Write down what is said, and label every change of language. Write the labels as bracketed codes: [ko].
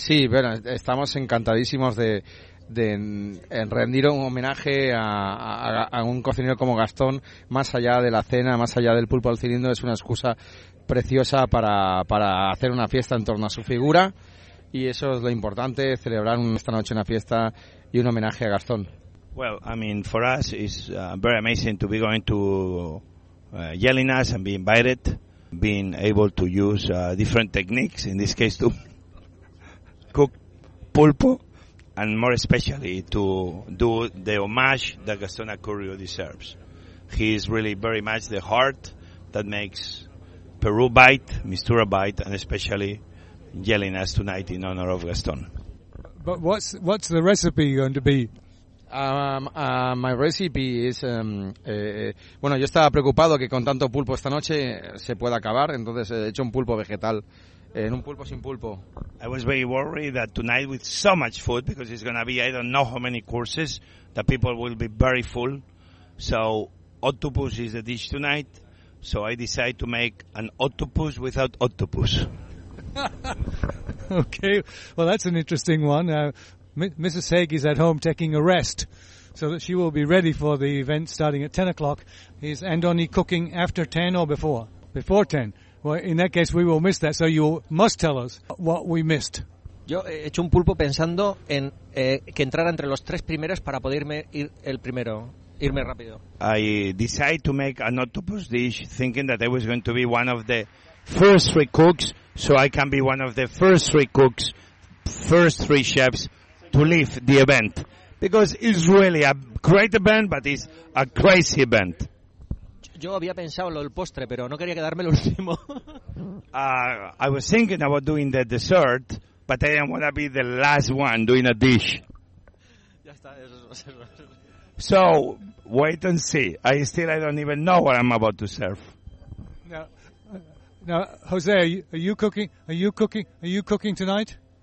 [es] Bueno, estamos encantadísimos de rendir un homenaje a un cocinero como Gastón. Más allá de la cena, más allá del pulpo al cilindro, es una excusa preciosa para hacer una fiesta en torno a su figura, y eso es lo importante, celebrar esta noche una fiesta y un homenaje a Gastón. [en] Well, I mean, for us it's very amazing to be going to Gelinas and be invited, being able to use different techniques, in this case to cook pulpo, and more especially to do the homage that Gastón Acurio deserves. He is really very much the heart that makes Peru Bite, Mistura Bite, and especially Gelinas tonight in honor of Gastón. But what's the recipe going to be? My recipe is [es] bueno, yo estaba preocupado que con tanto pulpo esta noche se pueda acabar, entonces he hecho un pulpo vegetal, en un pulpo sin pulpo. [en] I was very worried that tonight with so much food, because it's going to be I don't know how many courses, the people will be very full. So octopus is the dish tonight, so I decide to make an octopus without octopus. Okay, well, that's an interesting one. Mrs. Haig is at home taking a rest so that she will be ready for the event starting at 10 o'clock. Is Andoni cooking after 10 or before? Before 10. Well, in that case, we will miss that. So you must tell us what we missed. [es] Yo he hecho un pulpo pensando en que entrara entre los tres primeros para poder irme ir el primero, irme rápido. [en] I decided to make an octopus dish thinking that I was going to be one of the first three cooks, so I can be one of the first three cooks, first three chefs, to leave the event, because it's really a great event, but it's a crazy event. [es] Yo había pensado lo del postre, pero no quería quedarme el último. [en] I was thinking about doing the dessert, but I didn't want to be the last one doing a dish. [es] Ya está, eso. [en] So wait and see. I don't even know what I'm about to serve. Now, Jose, are you cooking tonight?